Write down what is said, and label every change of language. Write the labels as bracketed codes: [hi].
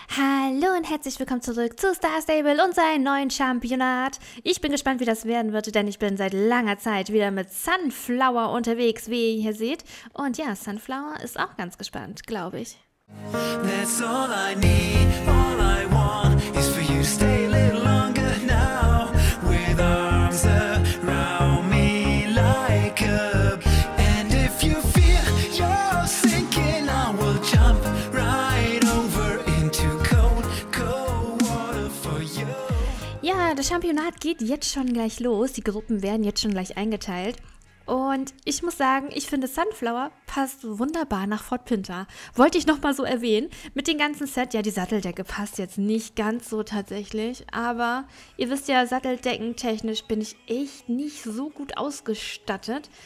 [de] Hallo und herzlich willkommen zurück zu Star Stable und seinem neuen Championat. Ich bin gespannt, wie das werden wird, denn ich bin seit langer Zeit wieder mit Sunflower unterwegs, wie ihr hier seht. Und ja, Sunflower ist auch ganz gespannt, glaube ich. [en] That's all I need, all I want is for you to stay a little longer now. With arms around me like a... And if you feel you're sinking, I will jump right over into cold, cold water for you. [de] Ja, das Championat geht jetzt schon gleich los. Die Gruppen werden jetzt schon gleich eingeteilt. Und ich muss sagen, ich finde Sunflower passt wunderbar nach Fort Pinter. Wollte ich nochmal so erwähnen. Mit dem ganzen Set, ja, die Satteldecke passt jetzt nicht ganz so tatsächlich. Aber ihr wisst ja, satteldeckentechnisch bin ich echt nicht so gut ausgestattet.